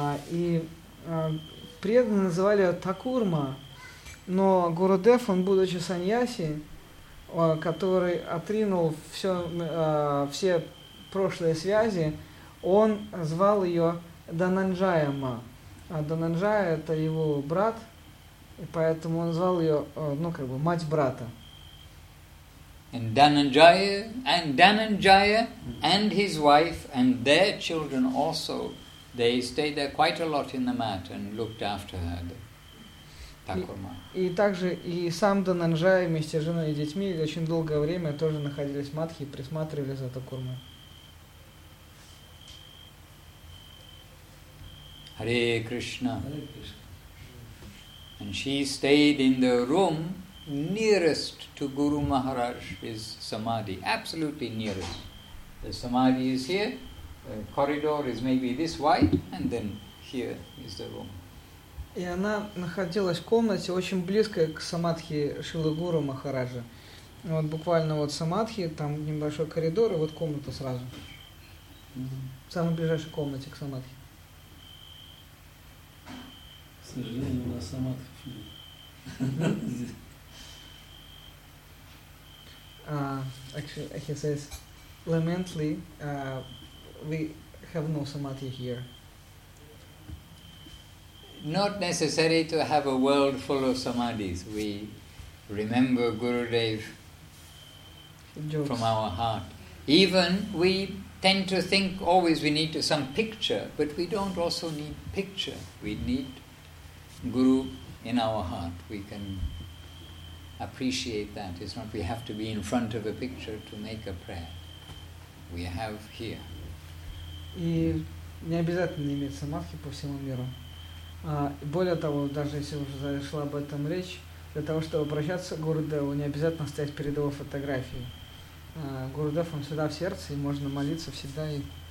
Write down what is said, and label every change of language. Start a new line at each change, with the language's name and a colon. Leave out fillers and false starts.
Russian: И преданные называли ее Такурма, но Гурудев, он будучи саньяси, который отринул все прошлые связи, он звал ее Дананджаяма. А Дананджая — это его брат, и поэтому он звал ее, ну, как бы, мать брата.
English: And Dananjaya and his wife and their children also, they stayed there quite a lot in the mat and looked after her.
Russian: И также и сам Дананджая вместе с женой и детьми очень долгое время тоже находились в Матхе и присматривали за Такурмой.
English: Hare Krishna. And she stayed in the room nearest to Guru Maharaj's Samadhi, absolutely nearest. The Samadhi is here, the corridor is maybe this wide, and then here is the room.
Russian: И она находилась в комнате, очень близко к самадхи Шилы Гуру Махараджа. Вот буквально вот самадхи, там небольшой коридор, и вот комната сразу. В самой ближайшей комнате к самадхи. К сожалению, у нас самадхи нет.
English: He says, lamently, we have no samadhi here. Not necessary to have a world full of samadhis. We remember Gurudev from our heart. Even we tend to think always we need some picture, but we don't also need picture. We need Guru in our heart. We can appreciate that. It's not we have to be in front of a picture to make a prayer. We have here.
Russian: И не обязательно иметь самадхи по всему миру. Более того, даже если уже зашла об этом речь, для того, чтобы обращаться к Гурудеву, не обязательно стоять перед его фотографией. Гурудев, он всегда в сердце, и можно молиться всегда и